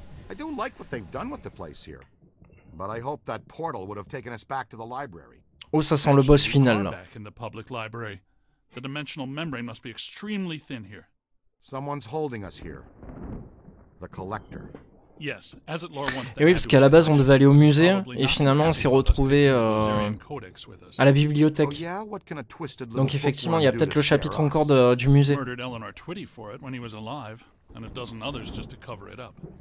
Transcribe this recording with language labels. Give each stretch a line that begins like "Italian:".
English: I don't like what they've done with the place here. But I hope that portal would have taken us back to the library.
French: Oh, ça sent le boss final là.
English: In the public library. The dimensional membrane must be extremely thin here. Someone's holding us here. The collector. Yes, as it lore once.
French: Et oui, parce qu'à la base on devait aller au musée et finalement on s'est retrouvé à la bibliothèque. Donc effectivement, il y a peut-être le chapitre encore du musée.
English: Murdered Eleanor Twitty for it when he was alive and a dozen others just to cover it up.